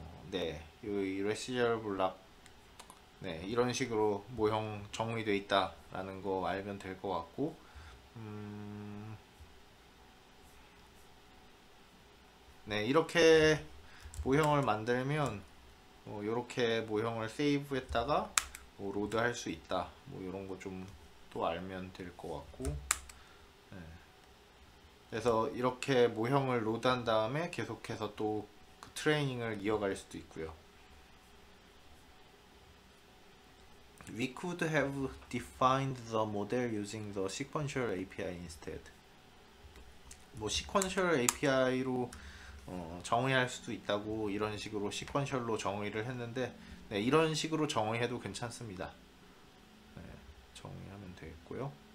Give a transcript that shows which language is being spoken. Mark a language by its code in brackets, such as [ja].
[ko] 네, 이 residual block 네, 이런 식으로 모형 정의되어 있다라는 거 알면 될것 같고 네, 이렇게 모형을 만들면 이렇게 모형을 세이브했다가 로드 할수 있다. 뭐 이런 거좀또 알면 될것 같고, 그래서 이렇게 모형을 로드한 다음에 계속해서 또그 트레이닝을 이어갈 수도 있고요. [en] We could have defined the model using the sequential API instead. [ko] 뭐 시퀀셜 API로 정의할 수도 있다고 이런 식으로 시퀀셜로 정의를 했는데 네, 이런 식으로 정의해도 괜찮습니다. 정의하면 되겠고요.